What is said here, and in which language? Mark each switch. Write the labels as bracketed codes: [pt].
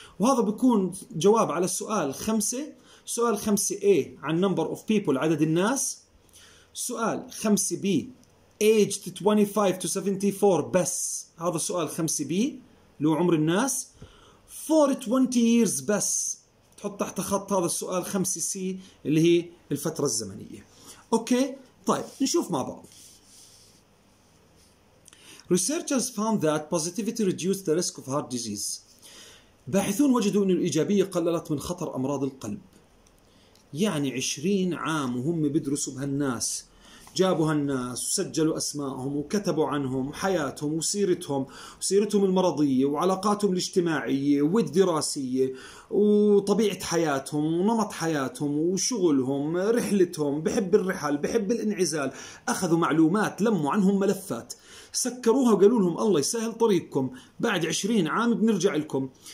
[ar] وهذا بيكون جواب على سؤال خمسة. سؤال 5A عن [en] number of people [ar] عدد الناس، سؤال 5B [en] age to 25 to 74 [ar] بس، هذا سؤال 5B لو عمر الناس، [en] for 20 years [ar] بس، تحط تحت خط هذا السؤال 5C اللي هي الفترة الزمنية. اوكي طيب نشوف مع بعض. [en] Researchers found that positivity reduced the risk of heart disease. [ar] باحثون وجدوا أن الإيجابية قللت من خطر أمراض القلب. يعني 20 عام وهم بيدرسوا بهالناس، جابوا هالناس وسجلوا أسماءهم وكتبوا عنهم حياتهم وسيرتهم، وسيرتهم المرضية وعلاقاتهم الاجتماعية والدراسية وطبيعة حياتهم ونمط حياتهم وشغلهم رحلتهم، بحب الرحل بحب الانعزال، أخذوا معلومات لموا عنهم ملفات سكروها وقالوا لهم الله يسهل طريقكم بعد 20 عام بنرجع لكم.